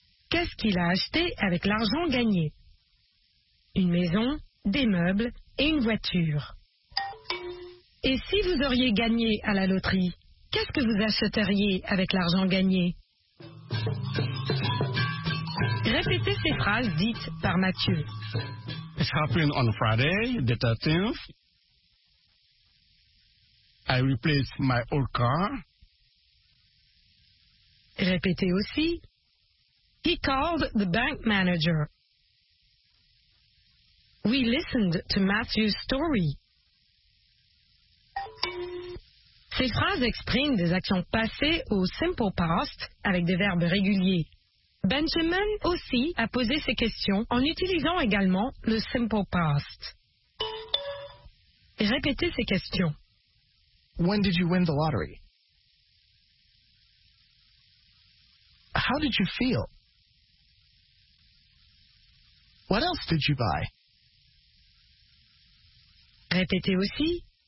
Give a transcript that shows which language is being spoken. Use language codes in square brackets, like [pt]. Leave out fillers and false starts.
[fr] Qu'est-ce qu'il a acheté avec l'argent gagné? Une maison, des meubles et une voiture. Et si vous auriez gagné à la loterie, qu'est-ce que vous achèteriez avec l'argent gagné? Répétez ces phrases dites par Mathieu. [en] It happened on Friday, the 13th. I replaced my old car. [fr] Répétez aussi. [en] He called the bank manager. We listened to Matthew's story. [fr] Ces phrases expriment des actions passées au simple past avec des verbes réguliers. Benjamin aussi a posé ses questions en utilisant également le simple past. Répétez ces questions. [en] When did you win the lottery? How did you feel? What else did you buy? [fr] Répétez aussi.